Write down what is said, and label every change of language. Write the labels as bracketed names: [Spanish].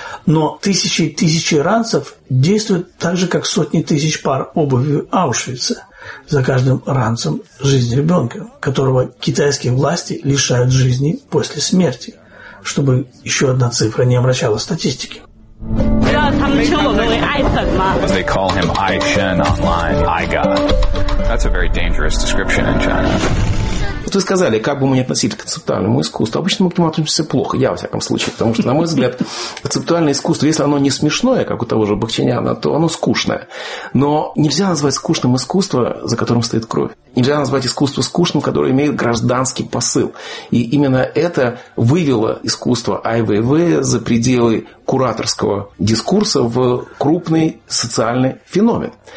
[Russian] Но тысячи и тысячи ранцев действуют так же, как сотни тысяч пар обуви Аушвица за каждым ранцем жизни ребенка, которого китайские власти лишают жизни после смерти, чтобы еще одна цифра не обращала статистики. [English] They call him Ai Shen online, Ai God. That's a very dangerous description in China. [Russian] Вот вы сказали, как бы мы ни относились к концептуальному искусству, обычно мы к нему относимся плохо, я, во всяком случае, потому что, на мой взгляд, концептуальное искусство, если оно не смешное, как у того же Бахчиняна, то оно скучное. Но нельзя назвать скучным искусство, за которым стоит кровь. Нельзя назвать искусство скучным, которое имеет гражданский посыл. И именно это вывело искусство Ай Вейвея за пределы кураторского дискурса в крупный социальный феномен.